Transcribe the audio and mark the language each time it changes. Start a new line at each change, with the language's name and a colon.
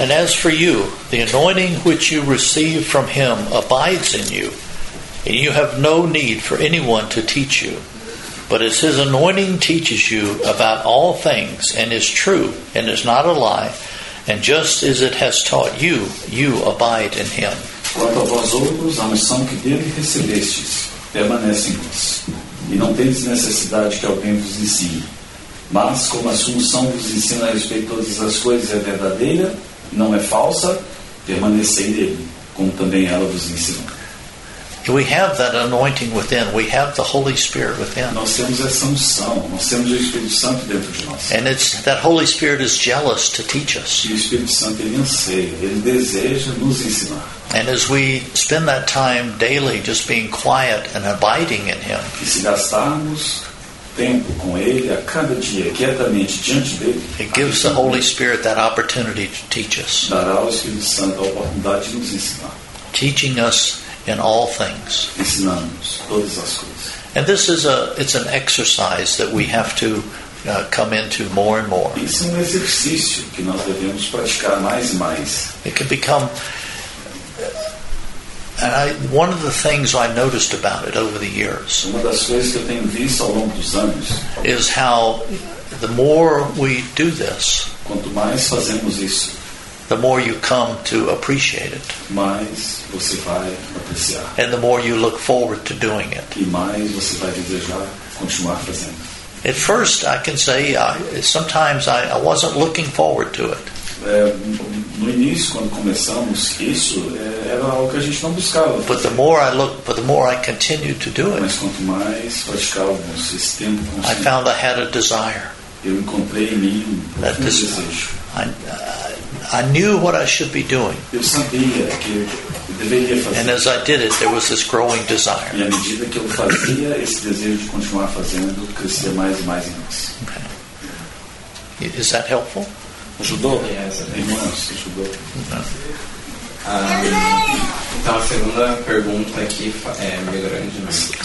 English: And as for you, the anointing which you receive from Him abides in you, and you have no need for anyone to teach you. But as His anointing teaches you about all things, and is true, and is not a lie, and just as it has taught you, you abide in Him.
Portuguese: Quanto a vós outros, a missão que dele recebestes, permanece em vós, e não tendes necessidade que alguém vos ensine. Mas, como a solução vos ensina a respeito de todas as coisas é verdadeira, não é falsa, permanecei nele, como também ela vos ensina.
English: We have that anointing within. We have the Holy Spirit within.
Portuguese: Nós temos essa unção. Nós temos o Espírito Santo dentro de nós.
English: And it's that Holy Spirit is jealous to teach us.
Portuguese: E o Espírito Santo ele anseia, ele deseja nos ensinar.
English: And as we spend that time daily just being quiet and abiding in Him.
Portuguese: E se gastarmos tempo com Ele a cada dia, quietamente diante dele.
English: It gives the Holy Spirit that opportunity to teach us.
Portuguese: Dará ao Espírito Santo a oportunidade de nos ensinar.
English: Teaching us in all things.
Portuguese: Ensinando-nos todas as coisas.
English: And this is an exercise that we have to come into more and more.
Portuguese: Isso é um exercício que nós devemos praticar mais e mais.
English: It can become, and one of the things I noticed about it over the years,
Portuguese: uma das coisas que eu tenho visto ao longo dos anos,
English: is how the more we do this,
Portuguese: quanto mais fazemos isso,
English: the more you come to appreciate it,
Portuguese: mais você vai apreciar,
English: and the more you look forward to doing it,
Portuguese: e mais você vai desejar continuar fazendo.
English: At first, I can say, sometimes I wasn't looking forward to it.
Portuguese: No início, quando começamos isso, era algo que a gente não buscava.
English: But the more I continued to do it,
Portuguese: mas quanto mais praticávamos esse tempo,
English: I found I had a desire.
Portuguese: Eu encontrei em mim desejo.
English: I knew what I should be doing.
Portuguese: Eu sabia que eu deveria fazer.
English: And as I did it, there was this growing desire.
Portuguese: E à medida que eu fazia, esse desejo de continuar fazendo crescia mais e mais em nós.
English: Okay. Is that helpful?
Portuguese: Ajudou? Irmãos, ajudou. Então, a segunda pergunta aqui é melhorando de novo.